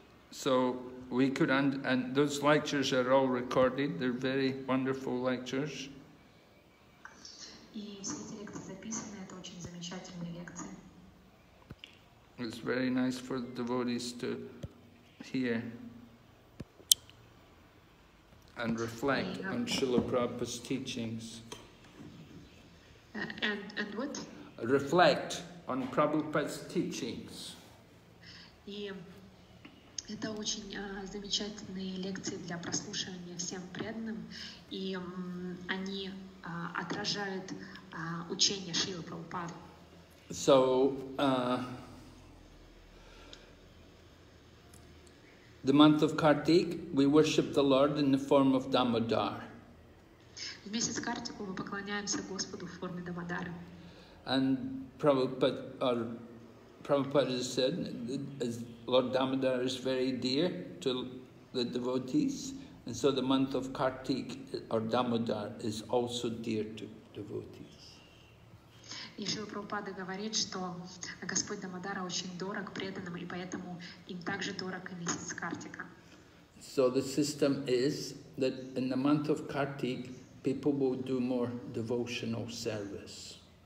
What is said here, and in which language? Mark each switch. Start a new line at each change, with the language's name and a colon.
English: So we could, and those lectures are all recorded. They're very wonderful lectures.
Russian: И все эти лекции записаны, это очень замечательные лекции.
English: It's very nice for the devotees to hear and reflect on Srila Prabhupada's teachings. And what? Reflect on Prabhupada's teachings.
Russian: И это очень замечательные лекции для прослушивания всем преданным, и они отражают учение Шрилы Прабхупады.
English: So, the month of Kartik, we worship the Lord in the form of Damodar.
Russian: В месяц Картику мы поклоняемся Господу в форме Дамодара.
English: And Prabhupada has said, as Lord Damodar is very dear to the devotees, and so the month of Kartik or Damodar is also dear to devotees.
Russian: И Шрила Прабхупада говорит, что Господь Дамодара очень дорог преданным, и поэтому им также дорог и месяц Картика.
English: So the system is that in the month of Kartik, people will do more devotional service.